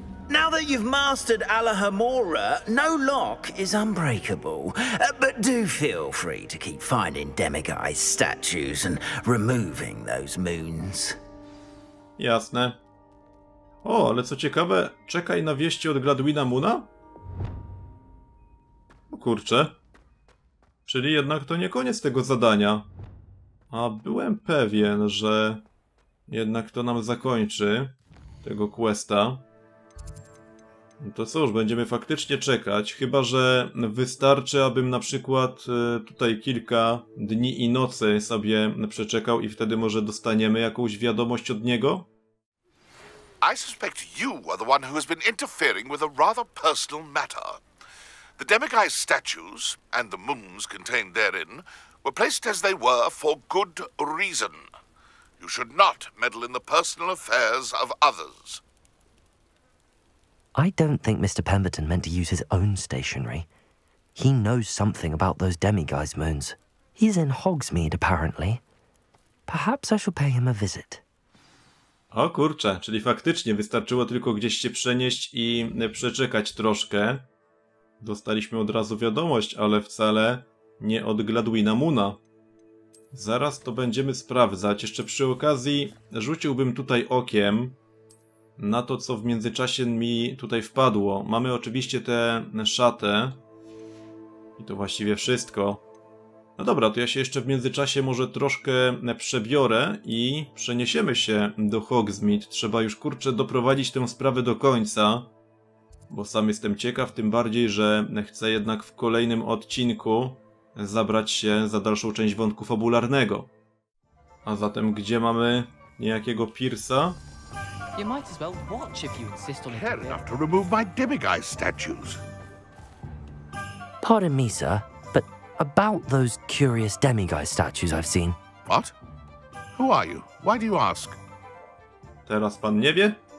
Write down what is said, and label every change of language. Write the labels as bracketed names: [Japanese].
[English] Now that you've mastered Alohomora, no lock is unbreakable. But do feel free to keep finding demiguise statues and removing those moons. [Polish] Jasne. O, ale co ciekawe, czekaj na wieści od Gladwina Moona? O kurczę. Czyli jednak to nie koniec tego zadania. A byłem pewien, że jednak to nam zakończy tego questa. To cóż, będziemy faktycznie czekać, chyba że wystarczy, abym na przykład tutaj kilka dni i nocy sobie przeczekał i wtedy może dostaniemy jakąś wiadomość od niego? [English] I suspect you are the one who has been interfering with a rather personal matter. The demiguise statues and the moons contained therein were placed as they were for good reason. You should not meddle in the personal affairs of others. I don't think Mr. Pemberton meant to use his own stationery. He knows something about those demiguise moons. He's in Hogsmeade, apparently. Perhaps I shall pay him a visit. [Polish] O kurczę, czyli faktycznie wystarczyło tylko gdzieś się przenieść i przeczekać troszkę. Dostaliśmy od razu wiadomość, ale wcale nie od Gladwina Moona. Zaraz to będziemy sprawdzać. Jeszcze przy okazji rzuciłbym tutaj okiem na to, co w międzyczasie mi tutaj wpadło. Mamy oczywiście tę szatę. I to właściwie wszystko. No dobra, to ja się jeszcze w międzyczasie może troszkę przebiorę i przeniesiemy się do Hogsmeade. Trzeba już, kurczę, doprowadzić tę sprawę do końca. Bo sam jestem ciekaw, tym bardziej, że chcę jednak w kolejnym odcinku zabrać się za dalszą część wątku fabularnego. A zatem gdzie mamy niejakiego Pierce'a? [English] You might as well watch if you insist on it. Care enough to remove my demiguy statues. Pardon me, sir, but about those curious demiguy statues I've seen. What? Who are you? Why do you ask? [Polish] Teraz pan nie wie?